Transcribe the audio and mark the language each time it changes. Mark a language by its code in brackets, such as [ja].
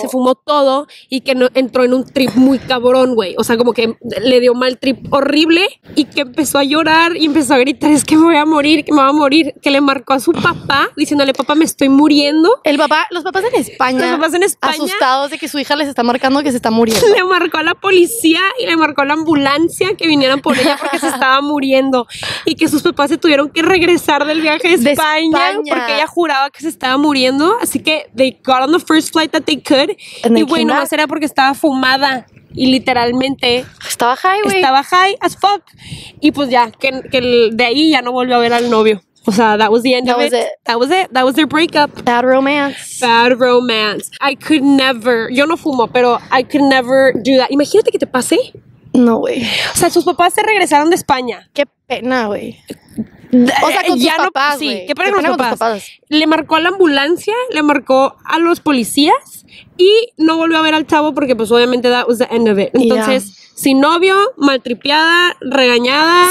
[es] Se fumó todo y que no, entró en un trip muy cabrón, güey, o sea, como que le dio mal trip horrible y que empezó a llorar y empezó a gritar, es que me voy a morir, que me voy a morir, que le marcó a su papá diciéndole, papá, me estoy muriendo. El papá, los papás en España asustados de que su hija les está marcando que se está muriendo. Le marcó a la policía y le marcó a la ambulancia que vinieran por ella porque se estaba muriendo. Y que sus papás se tuvieron que regresar del viaje de España porque ella juraba que se estaba muriendo. Así que [en] they got on the first flight that they could. And [es] y bueno, más era porque estaba fumada y literalmente estaba high, güey. Estaba [en] high as fuck. [es] Y pues ya, que de ahí ya no volvió a ver al novio. O sea, [en] that was the end of it. That was it. That was their breakup. Bad romance. Bad romance. I could never. [es] Yo no fumo, pero [en] I could never do that. [es] Imagínate que te pase. No, güey. O sea, sus papás se regresaron de España. Qué pena, güey. O sea, con ya sus papás, güey. Sí, qué pena con sus papás. Le marcó a la ambulancia, le marcó a los policías y no volvió a ver al chavo porque, pues, obviamente, [en] that was the end of it. [es] Entonces, sin novio, maltripeada, regañada.